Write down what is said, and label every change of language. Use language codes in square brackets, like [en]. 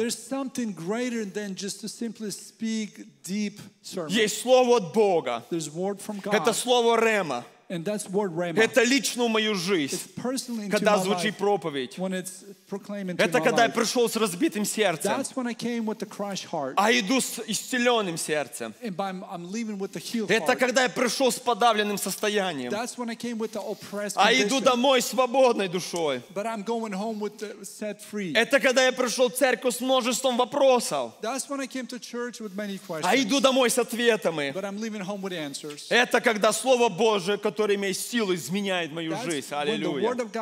[en] There's something greater than just to simply speak deep sermon. [ru] Есть слово от Бога. [en] There's word from God. [ru] Это слово рема. [en] And that's word rema. [ru] Это лично в мою жизнь. [en] It's personally into [ru] когда [en] my [ru] звучит [en] life, [ru] проповедь. [en] When it's proclaimed into [ru] это [en] my [ru] когда [en] life. [ru] Я пришел с разбитым сердцем. [en] That's when I came with a crushed heart. [ru] А иду с исцеленным сердцем. [en] And I'm leaving with a healed heart. [ru] Это когда я пришел с подавленным состоянием. [en] That's when I came with the oppressed [ru] А иду домой свободной душой. [en] But I'm going home with the set free. [ru] Это когда я пришел в церковь с множеством вопросов. [en] That's when I came to church with many questions. [ru] А иду домой с ответами. [en] But I'm leaving home with answers. [ru] Это когда Слово Божие, который имеет силу, изменяет мою жизнь. Аллилуйя.